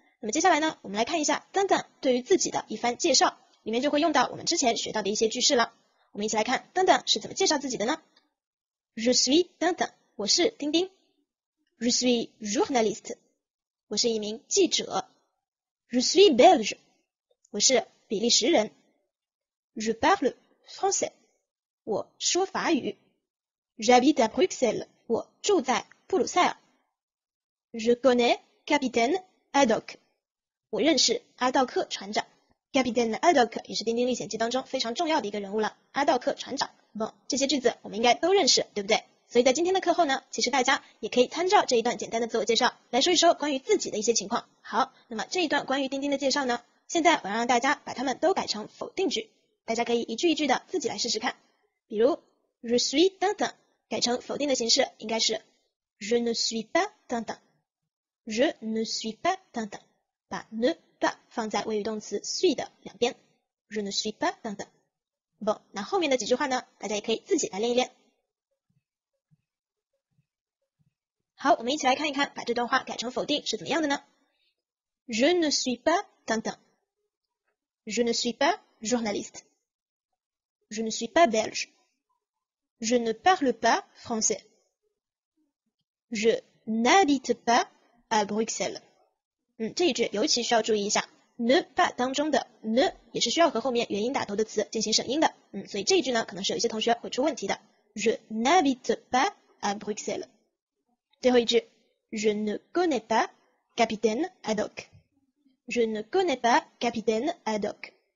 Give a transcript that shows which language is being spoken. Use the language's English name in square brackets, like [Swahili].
[Chinese] 那么接下来呢，我们来看一下等等对于自己的一番介绍，里面就会用到我们之前学到的一些句式了。我们一起来看等等是怎么介绍自己的呢？je suis 等等，我是丁丁。 [French] Je suis journaliste， [Chinese] 我是一名记者。 [French] Je suis belge， [Chinese] 我是比利时人。 [French] Je parle français， [Chinese] 我说法语。 [French] J'habite à Bruxelles， [Chinese] 我住在布鲁塞尔。 [French] Je connais Capitaine Haddock， [Chinese] 我认识阿道克船长。 Capitaine Haddock 也是丁丁历险记当中非常重要的一个人物了，阿道克船长。 bon， 这些句子我们应该都认识，对不对？所以在今天的课后呢，其实大家也可以参照这一段简单的自我介绍来说一说关于自己的一些情况。好，那么这一段关于丁丁的介绍呢，现在我要让大家把它们都改成否定句，大家可以一句一句的自己来试试看。比如 je suis 等等改成否定的形式应该是 [French] je ne suis pas [Chinese] 等等， je ne suis pas 等等，把 ne pas 放在谓语动词 suis 的两边， je ne suis pas 等等。 bon， 那后面的几句话呢，大家也可以自己来练一练。好，我们一起来看一看把这段话改成否定是怎么样的呢？ [French] Je ne suis pas 等等， Je ne suis pas journaliste， Je ne suis pas belge， Je ne parle pas français， Je n'habite pas à Bruxelles。 [Chinese] 这一句尤其需要注意一下， ne pas 当中的 ne 也是需要和后面元音打头的词进行省音的。所以这一句呢可能是有一些同学会出问题的， [French] Je n'habite pas à Bruxelles。 [Chinese] 最后一句 [French] Je ne connais pas Capitaine Haddock， Je ne connais pas Capitaine Haddock。